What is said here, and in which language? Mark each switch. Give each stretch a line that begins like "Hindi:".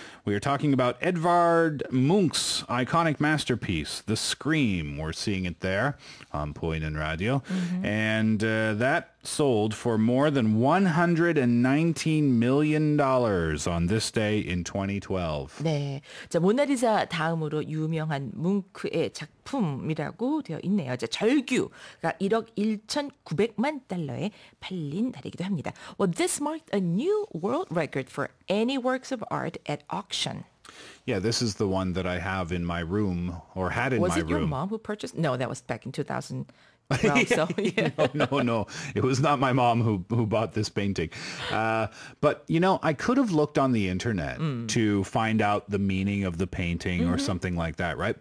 English: We are talking about Edvard Munch's iconic masterpiece, The Scream. We're seeing it there on Point and Radio. Mm-hmm. And that sold for more than $119 million on this day in 2012.
Korean: 네. 자, 모나리자 다음으로 유명한 뭉크의 작품이라고 되어 있네요. 자, 절규가 1억 1,900만 달러에 팔린 달이기도 합니다.
English: Well, this marked a new world record for any works of art at auction. Yeah, this is the one that I have in my room, or had in my room. Was it your mom who purchased? No, that was back in 2000. Well, yeah. No, it was not my mom who bought this painting. But, you know, I could have looked on the internet to find out the meaning of the painting or something like that, right?